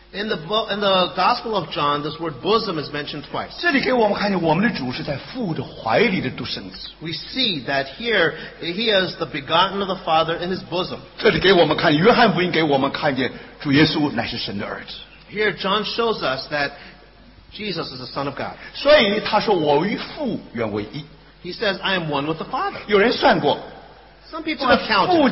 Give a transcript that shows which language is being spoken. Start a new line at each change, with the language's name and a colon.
English: In the Gospel of John, this word bosom is mentioned twice.
Chinese: 这里给我们看见我们的主是在父的怀里的独生子。
English: We see that here, he is the begotten of the Father in his bosom.
Chinese: 这里给我们看,约翰福音给我们看见主耶稣乃是神的儿子。
English: Here, John shows us that Jesus is the Son of God.
Chinese: 所以他说,我与父原为一。
English: He says, I am one with the Father.
Chinese: 有人算过,
English: some people have counted.